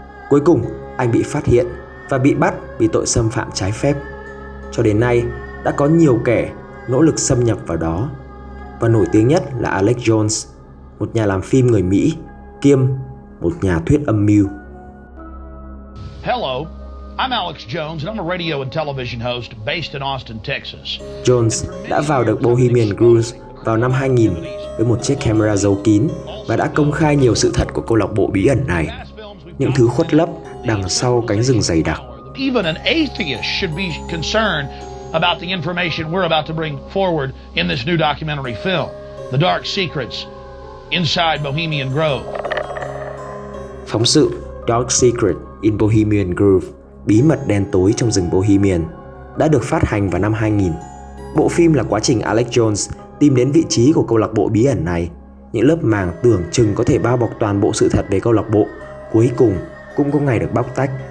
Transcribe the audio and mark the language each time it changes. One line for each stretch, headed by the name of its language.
Vietnamese: Cuối cùng, anh bị phát hiện và bị bắt vì tội xâm phạm trái phép. Cho đến nay, đã có nhiều kẻ nỗ lực xâm nhập vào đó. Và nổi tiếng nhất là Alex Jones, một nhà làm phim người Mỹ, kiêm một nhà thuyết âm mưu.
English: Hello, I'm Alex Jones and I'm a radio and television host based in Austin, Texas.
Vietnamese: Jones đã vào được Bohemian Groove vào năm 2000 với một chiếc camera giấu kín và đã công khai nhiều sự thật của câu lạc bộ bí ẩn này, những thứ khuất lấp đằng sau cánh rừng dày đặc.
English: Even an atheist should be concerned about the information we're about to bring forward in this new documentary film, The Dark Secrets Inside Bohemian Groove.
Vietnamese: Phóng sự Dark Secret in Bohemian Groove, bí mật đen tối trong rừng Bohemian, đã được phát hành vào năm 2000. Bộ phim là quá trình Alex Jones tìm đến vị trí của câu lạc bộ bí ẩn này. Những lớp màng tưởng chừng có thể bao bọc toàn bộ sự thật về câu lạc bộ, cuối cùng cũng có ngày được bóc tách.